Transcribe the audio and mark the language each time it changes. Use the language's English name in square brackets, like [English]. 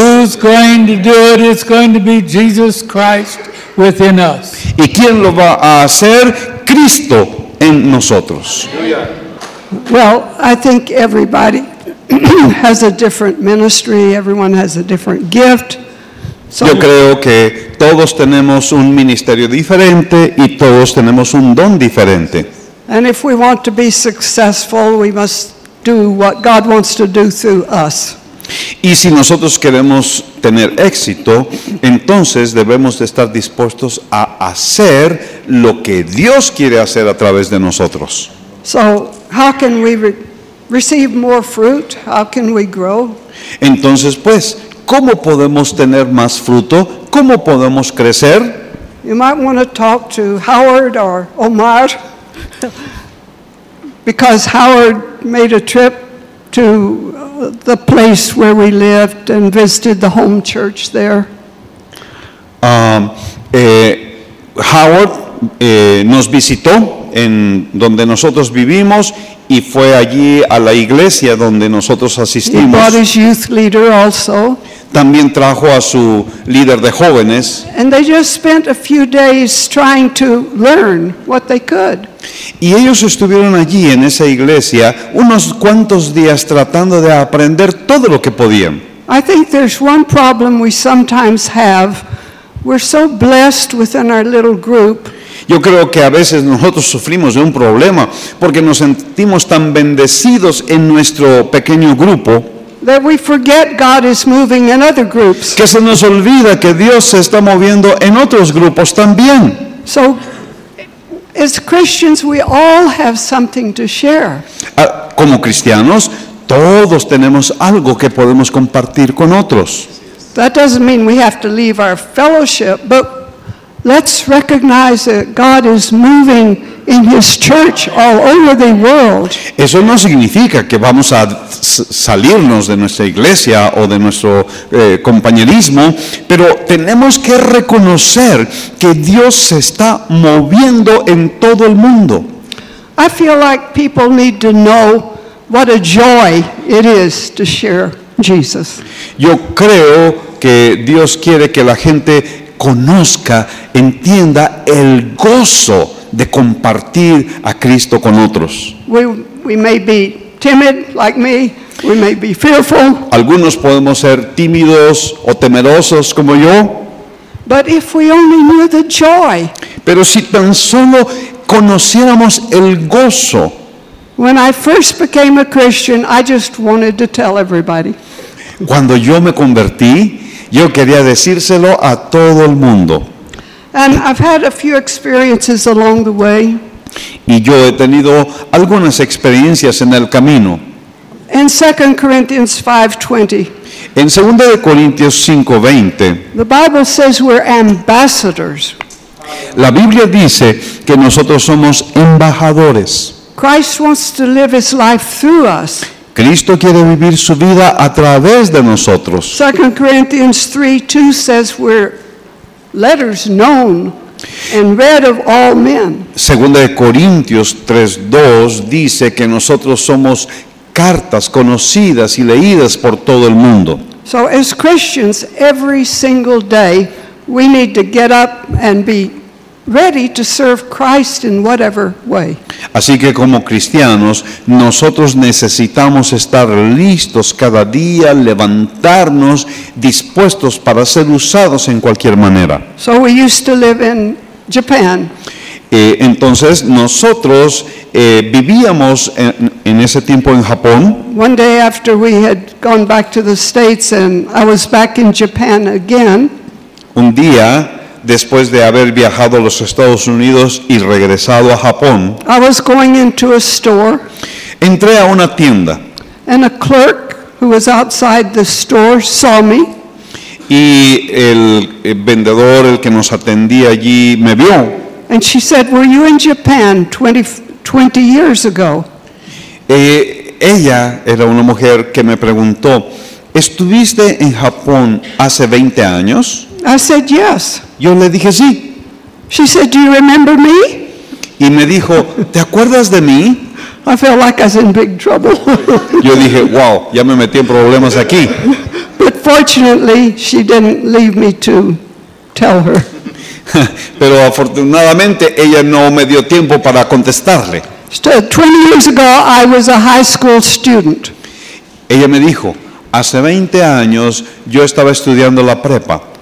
[English] Who's going to do it? It's going to be Jesus Christ within us. [Spanish] ¿Y quién lo va a hacer? Cristo en nosotros. [English] Well, I think everybody has a different ministry. Everyone has a different gift. [Spanish] Yo creo que todos tenemos un ministerio diferente y todos tenemos un don diferente. [English] And if we want to be successful, we must do what God wants to do through us. [Spanish] Y si nosotros queremos tener éxito, entonces debemos de estar dispuestos a hacer lo que Dios quiere hacer a través de nosotros. [English] So, how can we receive more fruit? How can we grow? [Spanish] Entonces, pues, ¿cómo podemos tener más fruto? ¿Cómo podemos crecer? [English] You might want to talk to Howard or Omar, because Howard made a trip to the place where we lived and visited the home church there. [Spanish] Howard nos visitó en donde nosotros vivimos y fue allí a la iglesia donde nosotros asistimos. [English] He brought his youth leader also. [Spanish] También trajo a su líder de jóvenes. [English] And they just spent a few days trying to learn what they could. [Spanish] Y ellos estuvieron allí en esa iglesia unos cuantos días tratando de aprender todo lo que podían. [English] I think there's one problem we sometimes have. We're so blessed within our little group. [Spanish] Yo creo que a veces nosotros sufrimos de un problema porque nos sentimos tan bendecidos en nuestro pequeño grupo. [English] That we forget God is moving in other groups. [Spanish] Que se nos olvida que Dios se está moviendo en otros grupos también. [English] So, as Christians, we all have something to share. [Spanish] Como cristianos, todos tenemos algo que podemos compartir con otros. [English] That doesn't mean we have to leave our fellowship, but let's recognize that God is moving in His church all over the world. [Spanish] Eso no significa que vamos a salirnos de nuestra iglesia o de nuestro compañerismo, pero tenemos que reconocer que Dios se está moviendo en todo el mundo. [English] I feel like people need to know what a joy it is to share Jesus. [Spanish] Yo creo que Dios quiere que la gente conozca, entienda el gozo de compartir a Cristo con otros. [English] We may be timid like me. We may be fearful. [Spanish] Algunos podemos ser tímidos o temerosos como yo. [English] But if we only knew the joy. [Spanish] Pero si tan solo conociéramos el gozo. [English] When I first became a Christian, I just wanted to tell everybody. [Spanish] Cuando yo me convertí, yo quería decírselo a todo el mundo. [English] And I've had a few experiences along the way. [Spanish] Y yo he tenido algunas experiencias en el camino. [English] In 2 Corinthians 5:20. [Spanish] En 2 Corintios 5:20. [English] The Bible says we're ambassadors. [Spanish] La Biblia dice que nosotros somos embajadores. [English] Christ wants to live His life through us. [Spanish] Cristo quiere vivir su vida a través de nosotros. [English] 2 Corinthians 3:2 says we're letters known and read of all men. [Spanish] 2 Corintios 3:2 dice que nosotros somos cartas conocidas y leídas por todo el mundo. [English] So as Christians, every single day we need to get up and be ready to serve Christ in whatever way. [Spanish] Así que como cristianos, nosotros necesitamos estar listos cada día, levantarnos, dispuestos para ser usados en cualquier manera. [English] So we used to live in Japan. [Spanish] Entonces nosotros vivíamos en ese tiempo en Japón. [English] One day after we had gone back to the States and I was back in Japan again. [Spanish] Un día después de haber viajado a los Estados Unidos y regresado a Japón, [English] I was going into a store. [Spanish] Entré a una tienda. [English] And a clerk who was outside the store saw me. [Spanish] Y el vendedor, el que nos atendía allí, me vio. [English] And she said, "Were you in Japan 20 years ago?" [Spanish] Ella era una mujer que me preguntó, "¿Estuviste en Japón hace 20 años?" [English] I said, "Yes." [Spanish] Yo le dije, "Sí." [English] She said, "Do you remember me?" [Spanish] Y me dijo, "¿Te acuerdas de mí?" [English] I felt like I was in big trouble. [Spanish] Yo dije, "Wow, ya me metí en problemas aquí." [English] But fortunately, she didn't leave me to tell her. [Spanish] Pero afortunadamente ella no me dio tiempo para contestarle. [English] 20 years ago, I was a high school student. [Spanish] Ella me dijo, "Hace 20 años yo estaba estudiando la prepa."